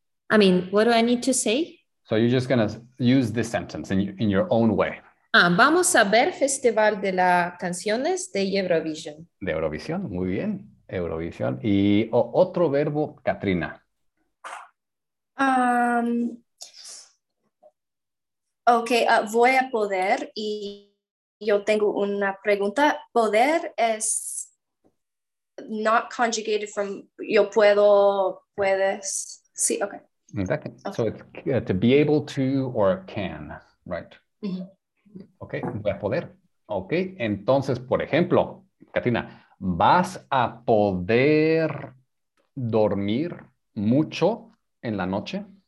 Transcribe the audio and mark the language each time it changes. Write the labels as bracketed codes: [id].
[en] I mean, what do I need to say? So you're just going to use this sentence in your own way. [es] Vamos a ver Festival de las Canciones de Eurovision. De Eurovision, muy bien. Eurovision. Y otro verbo, Katrina. Voy a poder y yo tengo una pregunta. Poder es [en] not conjugated from [es] yo puedo, puedes. Sí, [en] okay. Exactly. Okay. So it's to be able to or can, right? Mm-hmm. [es] Okay, voy a poder. Okay, entonces, por ejemplo, Katrina, ¿Vas a poder dormir mucho en la noche?